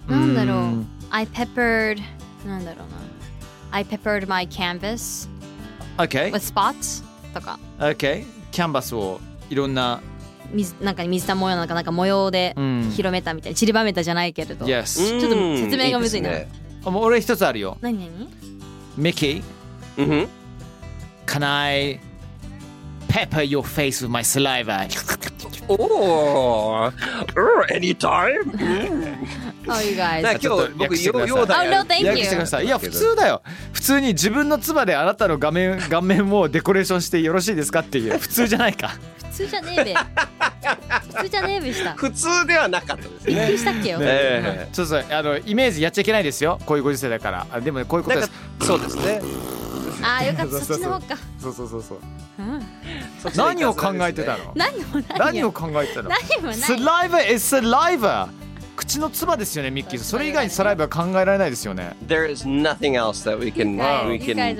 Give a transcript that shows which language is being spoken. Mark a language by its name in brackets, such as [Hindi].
[English] なんだろう、うん、I peppered なんだろうな I peppered my canvas okay with spots とか [Japanese] okayキャンバスをいろんな水玉模様なんか模様で広めたみたいな、うん、散りばめたじゃないけれど、 [English] yes. [Japanese] ちょっと説明がむずいな、うん、いいね、俺一つあるよ、なになに、ミッキー、 mm-hmm. [English] Can I pepper your face with my saliva? Oh, anytime. Oh, you guys. [Japanese] 今日僕ヨーダ [English] ー。Oh, no, thank you. [Japanese] いや普通だよ。普通に自分の唾であなたの顔面をデコレーションしてよろしいですかっていう。普通じゃないか。普通じゃねえべ。普通じゃねえべした。普通ではなかったですね。びっくりしたっけよ。ねえ、ちょっとあのイメージやっちゃいけないですよ。こういうご時世だから。あでも、ね、こういうことです。そうですね。あーよかった、そっちの方か、そうそうそうそう、うん、何を考えてたの、何を考えてたの、何もない、サライバ is サライバ、口の唾ですよねミッキー、ね、それ以外にサライバ考えられないですよね、 [English] There is nothing else that we can, we can